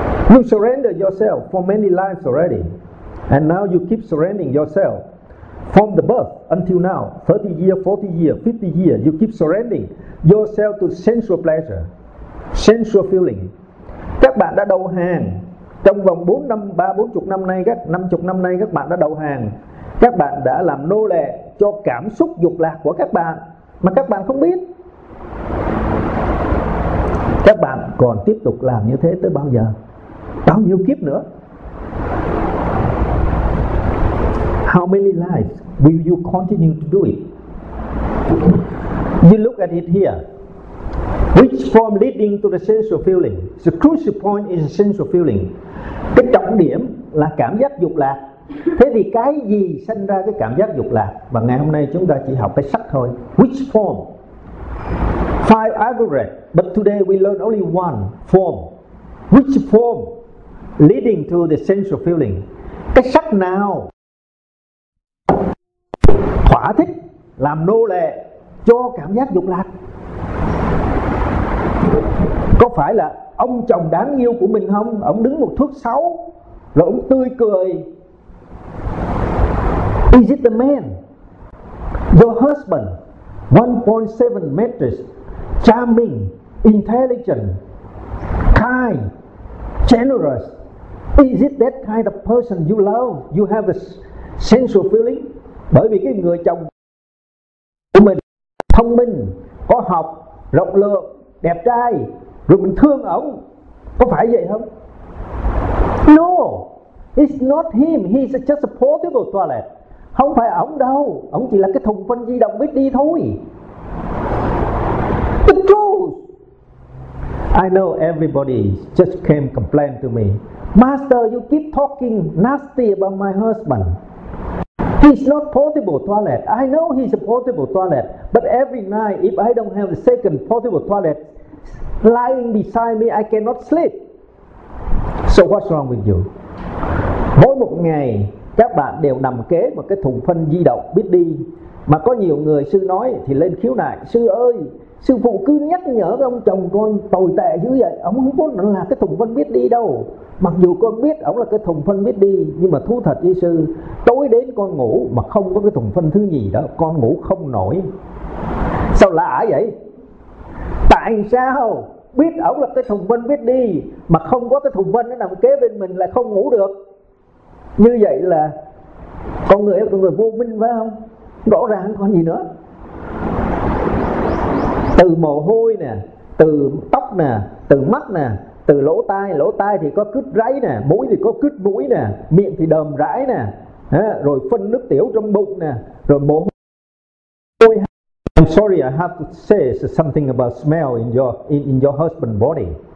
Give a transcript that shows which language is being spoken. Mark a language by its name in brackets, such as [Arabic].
[English] You surrender yourself for many lives already, and now you keep surrendering yourself from the birth until now, 30 years, 40 years, 50 years, you keep surrendering yourself to sensual pleasure, sensual feeling. [Vietnamese] Các bạn đã đầu hàng trong vòng 4 năm, 3, 40 năm nay, các 50 năm nay các bạn đã đầu hàng. Các bạn đã làm nô lệ cho cảm xúc dục lạc của các bạn mà các bạn không biết. Các bạn còn tiếp tục làm như thế tới bao giờ? Bao nhiêu kiếp nữa? [English] How many lives will you continue to do it? You look at it here. Which form leading to the sensual feeling? The crucial point is the sensual feeling. [Vietnamese] Cái trọng điểm là cảm giác dục lạc. Thế thì cái gì sinh ra cái cảm giác dục lạc? Và ngày hôm nay chúng ta chỉ học cái sắc thôi. [English] Which form? Five aggregates, but today we learn only one form. Which form leading to the sensual feeling? [Vietnamese] Cái sắc nào thỏa thích, làm nô lệ cho cảm giác dục lạc? Có phải là ông chồng đáng yêu của mình không? Ông đứng một thước sáu, rồi ông tươi cười. [English] Is it the man? Your husband, 1.7 meters, charming, intelligent, kind, generous. Is it that kind of person you love? You have a sensual feeling? [Vietnamese] Bởi vì cái người chồng của mình thông minh, có học, rộng lượng, đẹp trai, rồi mình thương ổng, có phải vậy không? [English] No, it's not him, he's just a portable toilet. [Vietnamese] Không phải ổng đâu, ổng chỉ là cái thùng phân di động biết đi thôi. [English] The truth. I know everybody just came complain to me. Master, you keep talking nasty about my husband. He's not portable toilet. I know he's a portable toilet, but every night if I don't have a second portable toilet lying beside me, I cannot sleep. So what's wrong with you? [Vietnamese] Mỗi một ngày các bạn đều nằm kế một cái thùng phân di động biết đi. Mà có nhiều người sư nói thì lên khiếu nại: sư ơi, sư phụ cứ nhắc nhở với ông chồng con tồi tệ dữ vậy. Ông không có là cái thùng phân biết đi đâu. Mặc dù con biết ông là cái thùng phân biết đi, nhưng mà thú thật với sư, tối đến con ngủ mà không có cái thùng phân thứ gì đó, con ngủ không nổi. Sao lạ vậy? Tại sao biết ổng là cái thùng phân biết đi mà không có cái thùng phân nó nằm kế bên mình lại không ngủ được? Như vậy là Con người là con người vô minh phải không? Rõ ràng còn gì nữa. Từ mồ hôi nè, từ tóc nè, từ mắt nè, từ lỗ tai thì có cứt ráy nè, mũi thì có cứt mũi nè, miệng thì đờm rãi nè, rồi phân nước tiểu trong bụng nè, rồi mồ hôi. [English] I'm sorry, I have to say something about smell in your husband's body.